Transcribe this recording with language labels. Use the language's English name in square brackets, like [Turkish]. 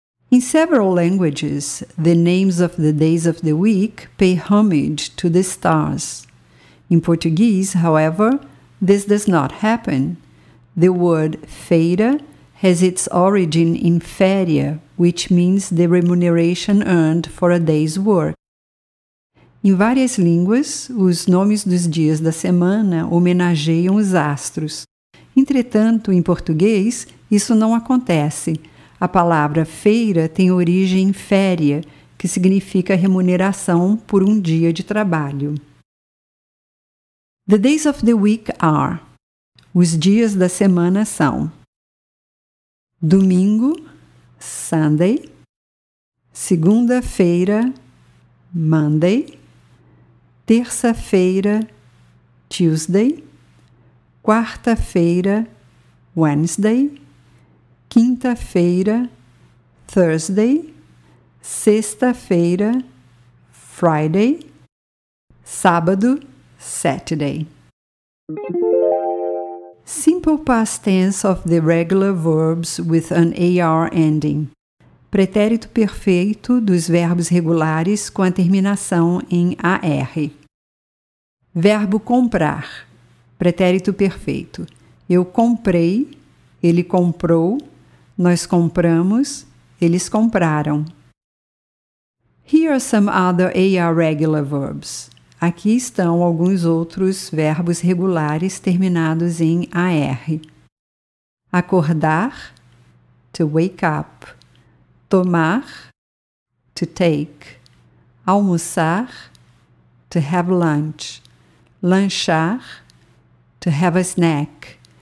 [English] In several languages, the names of the days of the week pay homage to the stars. In Portuguese, however, this does not happen. The word feira has its origin in feria, which means the remuneration earned for a day's work. [Portuguese] Em várias línguas, os nomes dos dias da semana homenageiam os astros. Entretanto, em português, isso não acontece. A palavra feira tem origem em féria, que significa remuneração por um dia de trabalho. [English] The days of the week are. [Portuguese] Os dias da semana são. Domingo, Sunday. Segunda-feira, Monday. Terça-feira, Tuesday. Quarta-feira, Wednesday. Quinta-feira, Thursday. Sexta-feira, Friday. Sábado, Saturday. [English] Simple past tense of the regular verbs with an AR ending. [Portuguese] Pretérito perfeito dos verbos regulares com a terminação em AR. Verbo comprar. Pretérito perfeito. Eu comprei, ele comprou, nós compramos, eles compraram. [English] Here are some other AR regular verbs. [Portuguese] Aqui estão alguns outros verbos regulares terminados em AR. [English] Acordar, to wake up. Tomar, to take. Almoçar, to have lunch. Lanchar, to have a snack.